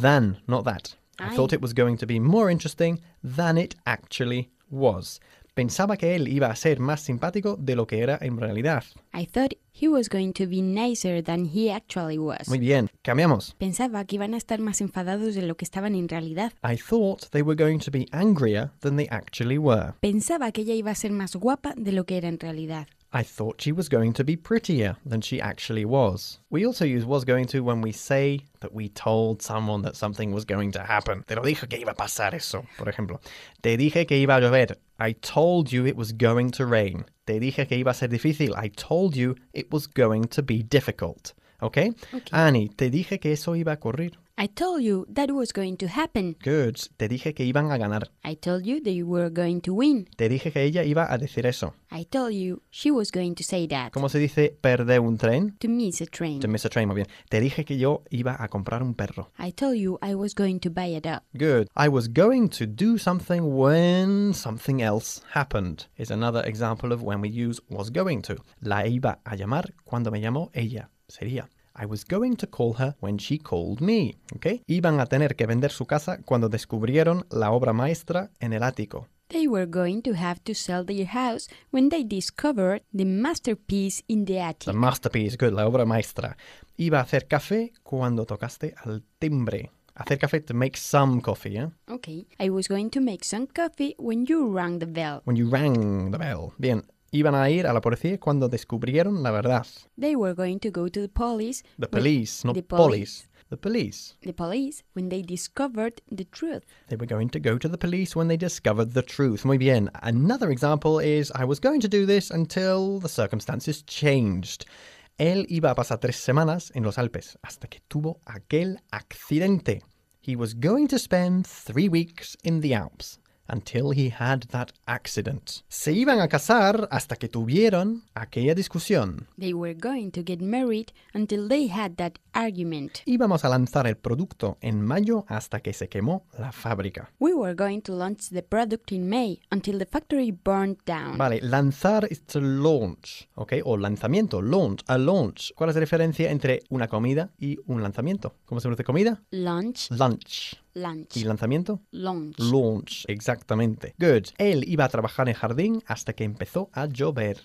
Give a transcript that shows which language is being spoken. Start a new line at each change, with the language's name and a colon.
English: Than, not that. I thought it was going to be more interesting than it actually was.
Spanish: Pensaba que él iba a ser más simpático de lo que era en realidad.
English: I thought he was going to be nicer than he actually was.
Spanish: Muy bien, cambiamos. Pensaba que iban a estar más enfadados de lo que estaban en realidad.
English: I thought they were going to be angrier than they actually were.
Spanish: Pensaba que ella iba a ser más guapa de lo que era en realidad.
English: I thought she was going to be prettier than she actually was. We also use was going to when we say that we told someone that something was going to happen.
Spanish: Te lo dije que iba a pasar eso, por ejemplo. Te dije que iba a llover.
English: I told you it was going to rain.
Spanish: Te dije que iba a ser difícil.
English: I told you it was going to be difficult. Okay? Okay.
Spanish: Annie, te dije que eso iba a ocurrir.
English: I told you that was going to happen.
Spanish: Good. Te dije que iban a ganar.
English: I told you they were going to win.
Spanish: Te dije que ella iba a decir eso.
English: I told you she was going to say that.
Spanish: ¿Cómo se dice perder un tren?
English: To miss a train. To miss a train,
Spanish: muy bien. Te dije que yo iba a comprar un perro.
English: I told you I was going to buy a dog. Good. I was going to do something when something else happened. Is another example of when we use was going to.
Spanish: La iba a llamar cuando me llamó ella.
English: Sería... I was going to call her when she called me, okay?
Spanish: Iban a tener que vender su casa cuando descubrieron la obra maestra en el ático.
English: They were going to have to sell their house when they discovered the masterpiece in the attic. The masterpiece, good,
Spanish: la obra maestra. Iba a hacer café cuando tocaste al timbre. Hacer café,
English: to make some coffee, yeah? Okay, I was going to make some coffee when you rang the bell. When you rang the bell, bien.
Spanish: Iban a ir a la policía cuando descubrieron la verdad.
English: They were going to go to the police. The police, not police. The police. The police, when they discovered the truth. They were going to go to the police when they discovered the truth.
Spanish: Muy bien.
English: Another example is, I was going to do this until the circumstances changed.
Spanish: Él iba a pasar tres semanas en los Alpes hasta que tuvo aquel accidente.
English: He was going to spend 3 weeks in the Alps until he had that accident.
Spanish: Se iban a casar hasta que tuvieron aquella discusión.
English: They were going to get married until they had that argument.
Spanish: Íbamos a lanzar el producto en mayo hasta que se quemó la fábrica.
English: We were going to launch the product in May until the factory burned down. Vale, lanzar is to launch, ¿ok?
Spanish: O lanzamiento,
English: launch, a launch.
Spanish: ¿Cuál es la diferencia entre una comida y un lanzamiento? ¿Cómo se produce comida?
English: Lunch. Lunch. Lunch.
Spanish: ¿Y lanzamiento?
English: Launch. Launch,
Spanish: exactamente.
English: Good.
Spanish: Él iba a trabajar en jardín hasta que empezó a llover.